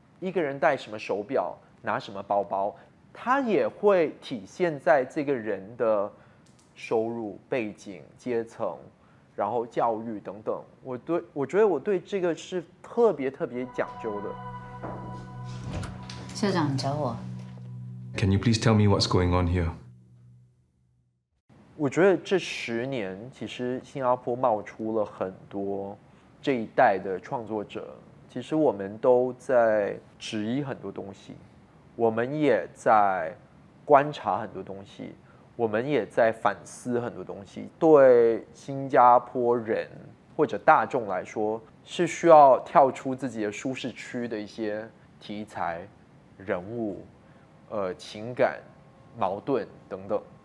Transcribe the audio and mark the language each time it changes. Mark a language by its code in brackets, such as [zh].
[zh] 一个人戴什么手表拿什么包包，他也会体现在这个人的收入背景阶层然后教育等等，我觉得我对这个是特别特别讲究的。校长，你找我。 [en] Can you please tell me what's going on here? [zh] 我觉得这十年其实新加坡冒出了很多这一代的创作者，其实我们都在质疑很多东西，我们也在观察很多东西。我们也在反思很多东西，对新加坡人或者大众来说是需要跳出自己的舒适区的一些题材人物情感矛盾等等。